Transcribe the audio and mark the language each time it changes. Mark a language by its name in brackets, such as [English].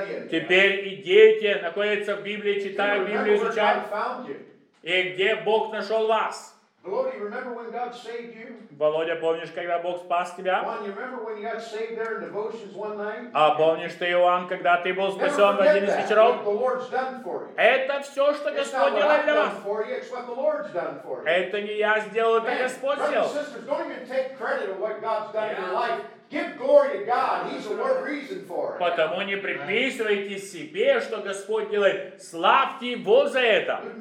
[Russian] Теперь и дети находятся в Библии, читают Библию, изучают. И где Бог нашел вас? [English] Володя, remember when God saved you? [Russian] Володя, помнишь, когда Бог спас тебя? [English] Juan, you remember when you got saved there in devotions one night? [Russian] А помнишь ты, Иоанн, когда ты был спасен в один из вечеров? [English] The Lord's done for you. [Russian] Это все, что Господь делает для вас. [English] It's what the Lord's done for you. [Russian] Это не я сделал, это Господь сделал. [English] Brothers and sisters, don't even take credit of what God's done in your life. Give glory to God. He's the one reason for it. [Russian] Потому не приписывайте себе, что Господь делает. Славьте Его за это.